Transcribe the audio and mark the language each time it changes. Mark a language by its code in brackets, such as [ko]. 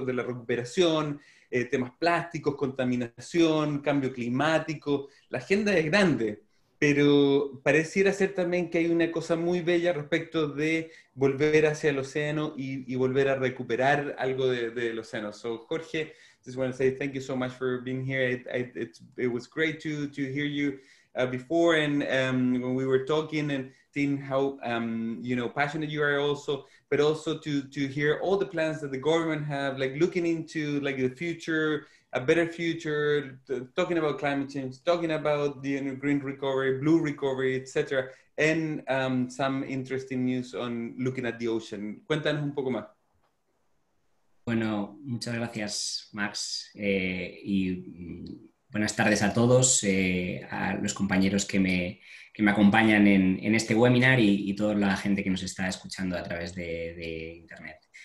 [es] De la recuperación. Temas plásticos, contaminación, cambio climático, la agenda es grande, pero pareciera ser también que hay una cosa muy bella respecto de volver hacia el océano y volver a recuperar algo del océano. [en] So Jorge, just want to say thank you so much for being here. It was great to hear you before, and when we were talking and seeing how you know, passionate you are also, but also to hear all the plans that the government have, like looking into like the future, a better future, talking about climate change, talking about the green recovery, blue recovery, etc., and some interesting news on looking at the ocean. [es] Cuéntanos un poco más. Bueno, muchas gracias, Max, y buenas tardes a todos, a los compañeros que me acompañan en este webinar y toda la gente que nos está escuchando a través de internet.